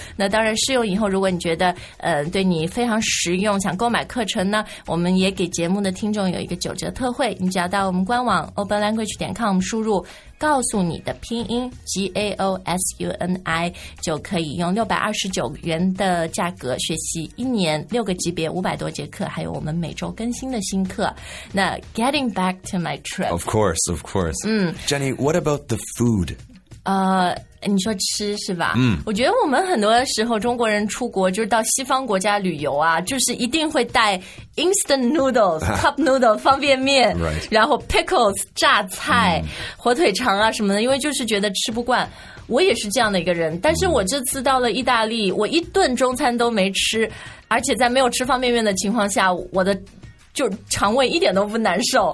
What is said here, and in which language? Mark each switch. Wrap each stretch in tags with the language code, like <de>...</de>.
<zh>那当然试用以后如果你觉得对你非常实用，想购买课程呢，我们也给节目的听众有一个九折特惠，你只要到我们官网 openlanguage.com 输入告诉你的拼音 GAOSUNI 就可以用629元的价格学习一年六个级别500多节课，还有我们每周更新的新课。那</zh> <en>getting back to my trip. Of course, of course.、嗯、 Jenny, what about the food?</en> <zh>你说吃是吧、嗯、我觉得我们很多时候中国人出国就是到西方国家旅游啊，就是一定会带</zh> <en>instant noodles cup noodles</en> <zh>方便面、</zh> <en>right.</en> <zh>然后 pickles 榨菜、嗯、火腿肠啊什么的，因为就是觉得吃不惯。我也是这样的一个人，但是我这次到了意大利我一顿中餐都没吃，而且在没有吃方便面的情况下我的就肠胃一点都不难受、</zh>